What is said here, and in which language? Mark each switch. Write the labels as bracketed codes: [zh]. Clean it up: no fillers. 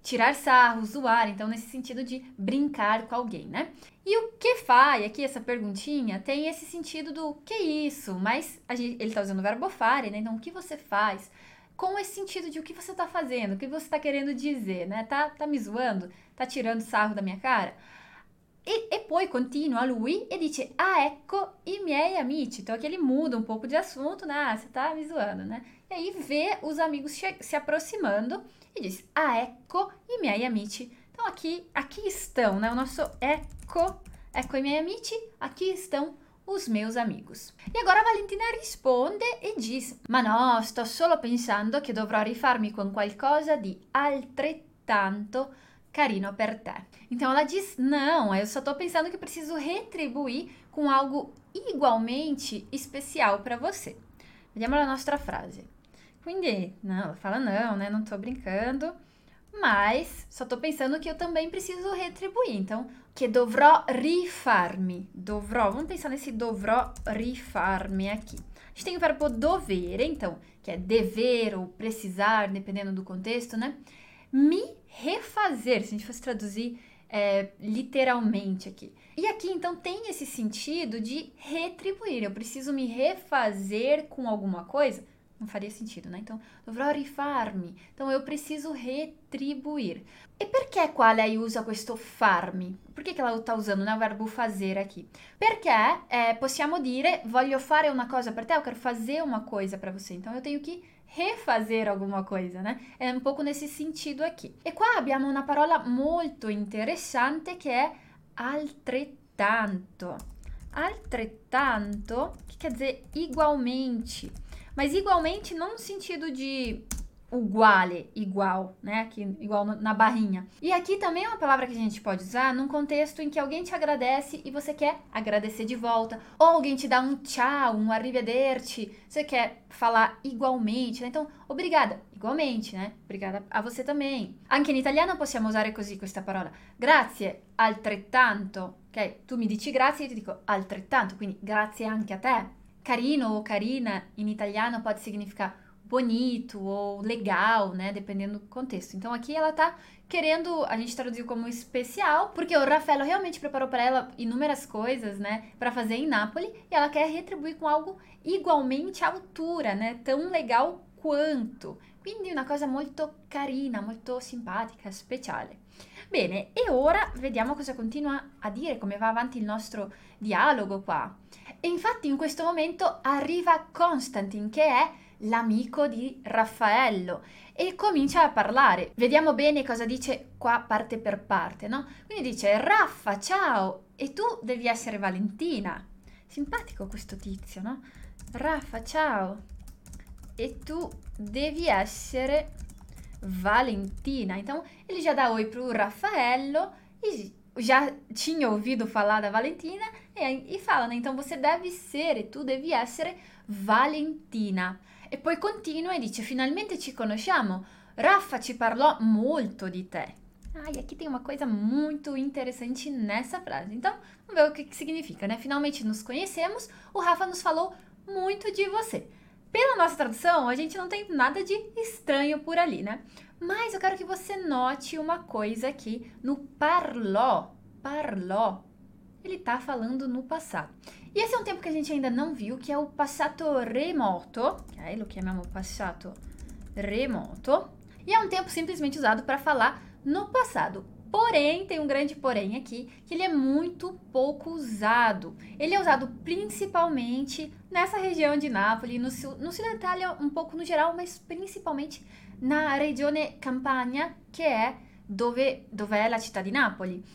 [pt] Tirar sarro, zoar, então, nesse sentido de brincar com alguém, né? E o que faz aqui, essa perguntinha, tem esse sentido do que isso? Mas ele tá usando o verbo fare, né? Então, o que você faz? Com esse sentido de o que você tá fazendo, o que você tá querendo dizer, né? Tá me zoando? Tá tirando sarro da minha cara? [it] E poi continua lui e dice: ah, ecco i miei amici. [pt] Então aqui ele muda um pouco de assunto, né? Ah, você tá me zoando, né? E aí vê os amigos se aproximando e diz: [it] ah, ecco i miei amici. [pt] Então aqui estão, né? O nosso [it] ecco i miei amici, [pt] aqui estão os meus amigos. [it] E agora a Valentina risponde e diz: ma no, sto solo pensando che dovrò rifarmi con qualcosa di altrettanto tanto carino per te. [pt] Então ela diz: não, eu só tô pensando que preciso retribuir com algo igualmente especial para você. [it] Vediamo la nostra frase. [pt] Quindi, não, ela fala: não, né? Não tô brincando. Mas só tô pensando que eu também preciso retribuir. Então, que [it] dovrò rifarmi. [pt] Dovrò, vamos pensar nesse dovrò rifarmi aqui. A gente tem o verbo dover, então, que é dever ou precisar, dependendo do contexto, né? Me refazer, se a gente fosse traduzir literalmente aqui. E aqui, então, tem esse sentido de retribuir. Eu preciso me refazer com alguma coisa. Não faria sentido, né? Então, [it] dovrò rifarmi. [pt] Então, eu preciso retribuir. [it] E perché quale aí usa questo farmi? [pt] Por que ela tá usando, né, o verbo fazer aqui? [it] Perché possiamo dire voglio fare una cosa per te, [pt] eu quero fazer uma coisa para você. Então, eu tenho que refazer alguma coisa, né? É um pouco nesse sentido aqui. [it] E qua abbiamo una parola molto interessante che è altrettanto. [pt] Altrettanto, che quer dizer igualmente? Mas igualmente não no sentido de uguale, igual, né? Aqui, igual na barrinha. E aqui também é uma palavra que a gente pode usar num contexto em que alguém te agradece e você quer agradecer de volta. Ou alguém te dá um tchau, um arrivederci, você quer falar igualmente, né? Então, obrigada, igualmente, né? Obrigada a você também. [it] Anche in italiano possiamo usare così questa parola. Grazie, altrettanto, ok? Tu mi dici grazie e ti dico altrettanto, quindi grazie anche a te. [pt] Carino ou carina, em italiano, pode significar bonito ou legal, né? Dependendo do contexto. Então, aqui ela tá querendo, a gente traduziu como especial, porque o Raffaello realmente preparou para ela inúmeras coisas, né? Para fazer em Nápoles, e ela quer retribuir com algo igualmente à altura, né? Tão legal quanto. Quindi, uma coisa muito carina, muito simpática, especial. [it] Bene, e ora vediamo cosa continua a dire, come va avanti il nostro dialogo qua. E infatti in questo momento arriva Constantin, che è l'amico di Raffaello, e comincia a parlare. Vediamo bene cosa dice qua parte per parte, no? Quindi dice: Raffa, ciao, e tu devi essere Valentina. Simpatico questo tizio, no? Raffa, ciao, e tu devi essere Valentina. [pt] Então, ele já dá oi pro Raffaello e já tinha ouvido falar da Valentina e fala, né? Então, você deve ser, [it] tu devi essere Valentina. E poi continua e dice: finalmente ci conosciamo. Raffa ci parlò molto di te. [pt] Ai, aqui tem uma coisa muito interessante nessa frase. Então, vamos ver o que significa, né? Finalmente nos conhecemos, o Raffa nos falou muito de você. Pela nossa tradução, a gente não tem nada de estranho por ali, né? Mas eu quero que você note uma coisa aqui no parlò. Parlò. Ele tá falando no passado. E esse é um tempo que a gente ainda não viu, que é o passato remoto. Que aí [it] lo chiamiamo passato remoto. [pt] E é um tempo simplesmente usado para falar no passado. Porém, tem um grande porém aqui, que ele é muito pouco usado. Ele é usado principalmente nessa região de Nápoles, no sul da Itália, um pouco no geral, mas principalmente na regione Campania, que é [it] dove è la città di Napoli.